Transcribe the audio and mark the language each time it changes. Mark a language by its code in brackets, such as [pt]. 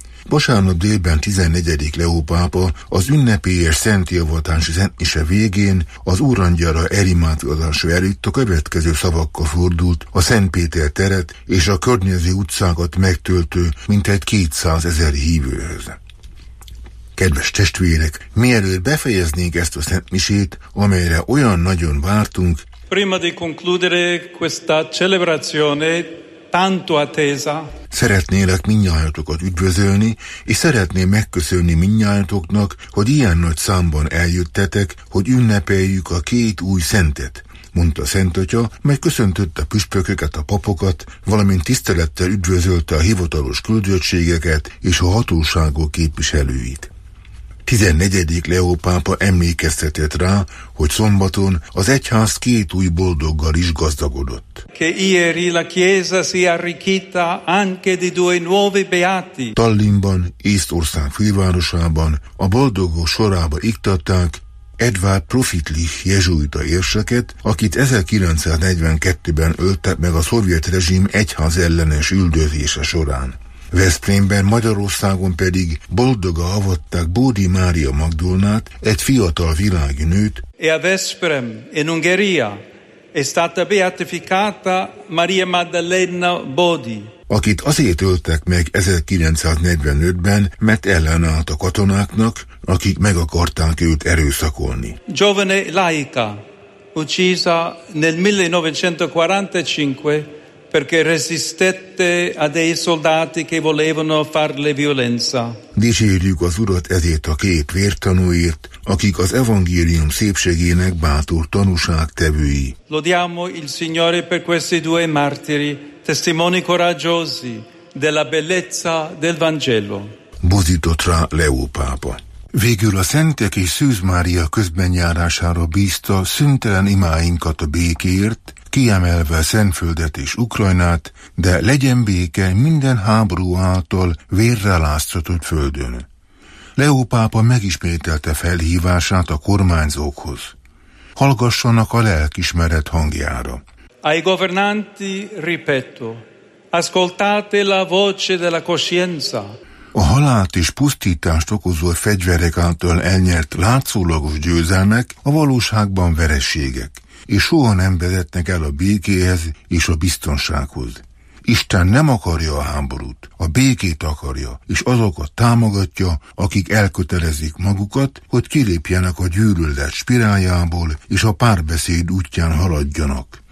[hu] Vasárnap délben 14. Leó pápa az ünnepélyes szentiavatási szentmise végén az úrangyala elimádkozása előtt a következő szavakkal fordult a Szent Péter teret és a környező utcákat megtöltő mintegy 200 ezer hívőhöz. Kedves testvérek, mielőtt befejeznénk ezt a szentmisét, amelyre olyan nagyon vártunk, [it] prima di concludere questa celebrazione tanto attesa. [hu] Szeretnélek mindnyájatokat üdvözölni, és szeretném megköszönni mindnyájatoknak, hogy ilyen nagy számban eljöttetek, hogy ünnepeljük a két új szentet, mondta Szent Atya, mely köszöntötte a püspököket, a papokat, valamint tisztelettel üdvözölte a hivatalos küldöttségeket és a hatóságok képviselőit. 14. Leó pápa emlékeztetett rá, hogy szombaton az egyház két új boldoggal is gazdagodott. Tallinnban, Észtország fővárosában a boldogok sorába iktatták Edward Profitlich jezsuita érseket, akit 1942-ben öltek meg a szovjet rezsim egyház ellenes üldözése során. Veszprémben, Magyarországon pedig boldoga avatták Bódi Mária Magdolnát, egy fiatal világi nőt. [it] E a Veszprém, in Ungheria, è stata beatificata Maria Maddalena Bodi. [hu] Akit azért öltek meg 1945-ben, mert ellenállt a katonáknak, akik meg akarták őt erőszakolni. [it] Giovane laica, uccisa nel 1945, perché resistette a dei soldati che volevano farle violenza. [hu] Dicsérjük az Urat ezért a két vértanúért, akik az evangélium szépségének bátor tanúságtevői. [it] Lodiamo il Signore per questi due martiri, testimoni coraggiosi della bellezza del Vangelo. [hu] Buzított rá Leó pápa. Végül a Szentek és Szűz Mária közbenjárására bízta szüntelen imáinkat a békéért, kiemelve Szentföldet és Ukrajnát, de legyen béke minden háború által vérre láztatott földön. Leó pápa megismételte felhívását a kormányzókhoz. Hallgassanak a lelkismeret hangjára. [it] Ai governanti, ripeto, ascoltate la voce della coscienza. [hu] A halált és pusztítást okozó fegyverek által elnyert látszólagos győzelmek a valóságban vereségek, és soha nem vezetnek el a békéhez és a biztonsághoz. Isten nem akarja a háborút, a békét akarja, és azokat támogatja, akik elkötelezik magukat, hogy kilépjenek a gyűlölet spiráljából, és a párbeszéd útján haladjanak.